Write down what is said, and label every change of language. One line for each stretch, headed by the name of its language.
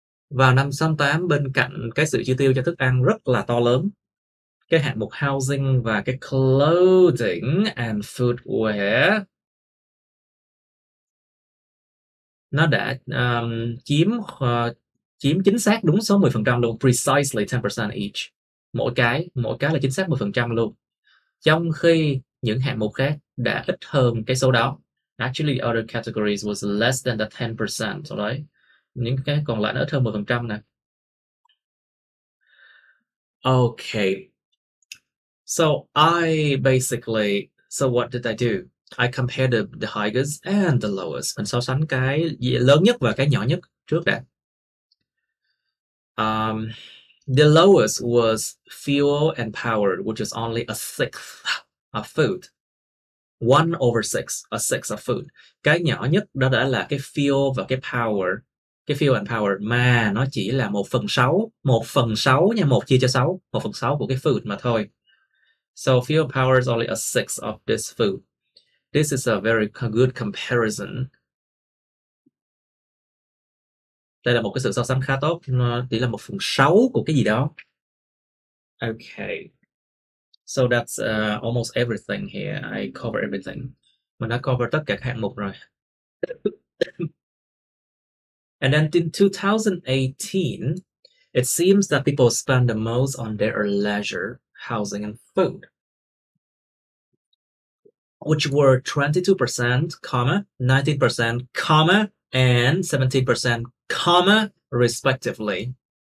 Vietnamese: Vào năm 68, bên cạnh cái sự chi tiêu cho thức ăn rất là to lớn, cái hạng mục housing và cái clothing and footwear nó đã chiếm chính xác đúng số 10% luôn,
English: precisely 10% each.
Vietnamese: Mỗi cái là chính xác 10% luôn. Trong khi những hạng mục khác đã ít hơn cái số đó.
English: Actually, the other categories was less than the 10%.
Vietnamese: So đấy. Những cái còn lại nó ít hơn 10% nè.
English: Okay. So what did I do? I compared the highest and the lowest.
Vietnamese: Mình so sánh cái lớn nhất và cái nhỏ nhất trước đã.
English: The lowest was fuel and power, which is only a sixth of food. 1/6, a sixth of food.
Vietnamese: Cái nhỏ nhất đó đã là cái fuel và cái power. Cái fuel and power mà nó chỉ là 1/6. 1/6 nha, 1 chia cho 6. 1/6 của cái food mà thôi.
English: So fuel and power is only a sixth of this food. This is a very good comparison.
Vietnamese: Đây là một cái sự so sánh khá tốt, nó chỉ là 1/6 của cái gì đó. Okay.
English: So that's almost everything here. I cover everything.
Vietnamese: Mình đã cover tất cả các hạng mục rồi.
English: And then in 2018, it seems that people spend the most on their leisure, housing and food, which were 22%, 19%, and 17%, respectively.